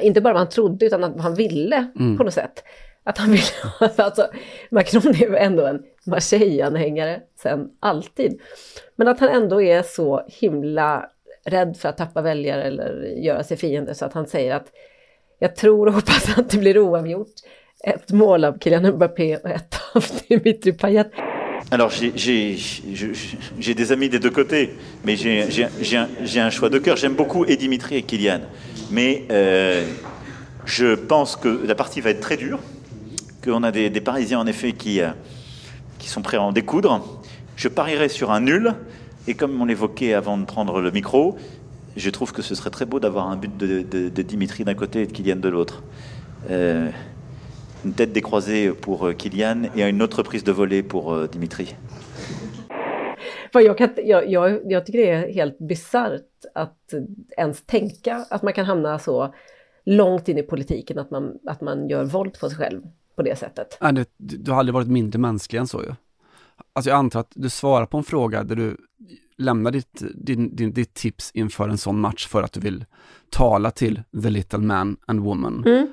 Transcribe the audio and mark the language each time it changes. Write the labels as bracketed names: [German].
[Swedish] Inte bara vad han trodde utan vad han ville på något sätt. Att han ville, alltså Macron är ändå en Marseille-anhängare sen alltid. Men att han ändå är så himla rädd för att tappa väljare eller göra sig fiende. Så att han säger att jag tror och hoppas att det blir oavgjort. Ett mål av Kylian Mbappé och ett av Dimitri Payet. [French] Alors j'ai des amis des deux côtés, mais j'ai un choix de cœur. J'aime beaucoup et Dimitri et Kylian, mais je pense que la partie va être très dure, qu'on a des Parisiens en effet qui sont prêts à en découdre. Je parierais sur un nul, et comme on l'évoquait avant de prendre le micro, je trouve que ce serait très beau d'avoir un but de Dimitri d'un côté et de Kylian de l'autre. Une tête décroisée pour Kylian et une autre prise de volée pour Dimitri. [Swedish] Jag tycker det är helt bizarrt att ens tänka att man kan hamna så långt in i politiken att man gör våld på sig själv på det sättet. Nej, du har aldrig varit mindre mänsklig än så ju. Alltså jag antar att du svarar på en fråga där du lämnar ditt tips inför en sån match för att du vill tala till [English] the little man and woman. [Swedish] Mm.